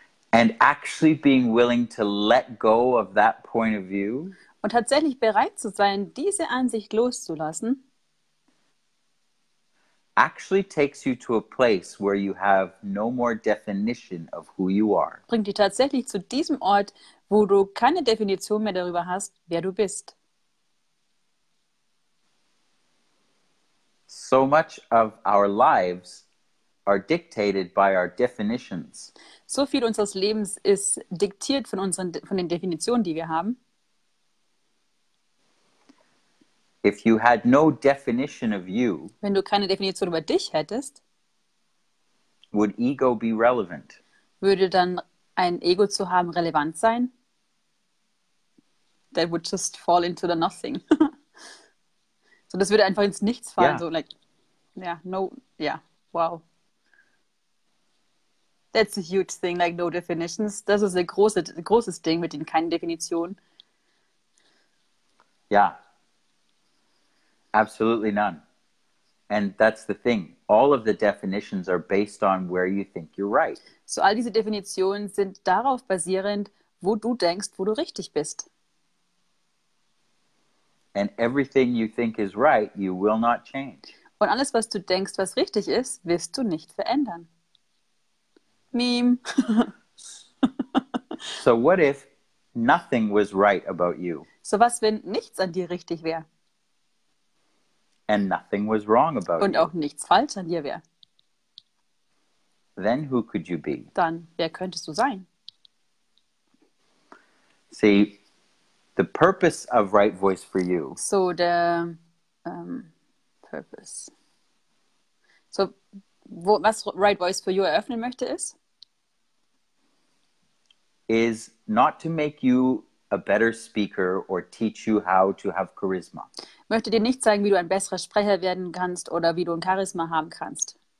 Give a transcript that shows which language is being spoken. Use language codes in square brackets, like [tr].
[en] And actually being willing to let go of that point of view. [de] Und tatsächlich bereit zu sein, diese Ansicht loszulassen. [en] Actually takes you to a place where you have no more definition of who you are. [de] Bringt dich tatsächlich zu diesem Ort, wo du keine Definition mehr darüber hast, wer du bist. [en] So much of our lives are dictated by our definitions. [de] So viel unseres Lebens ist diktiert von den Definitionen, die wir haben. [en] If you had no definition of you, [de] wenn du keine Definition über dich hättest, [en] would ego be relevant? [de] Würde dann ein Ego zu haben relevant sein? [en] That would just fall into the nothing. [de] So das würde einfach ins Nichts fallen. [en] Yeah. So like. Yeah, no, yeah, wow. That's a huge thing, like no definitions. [de] Das ist ein großes Ding mit den keinen Definitionen. [en] Yeah, absolutely none. And that's the thing. All of the definitions are based on where you think you're right. [de] So all diese Definitionen sind darauf basierend, wo du denkst, wo du richtig bist. [en] And everything you think is right, you will not change. [de] Und alles, was du denkst, was richtig ist, wirst du nicht verändern. Meme. [en] So what if nothing was right about you? [de] So was, wenn nichts an dir richtig wäre? [en] And nothing was wrong about [de] Und auch [en] you. [de] Nichts falsch an dir wäre? [en] Then who could you be? [de] Dann, wer könntest du sein? [en] See, the purpose of right voice for you. [de] So der Purpose. So, was Right Voice for You eröffnen möchte, ist? [en] Is not to make you a better speaker or teach you how to have charisma. [de] Möchte dir nicht zeigen, wie du ein besserer Sprecher werden kannst oder wie du ein Charisma haben kannst.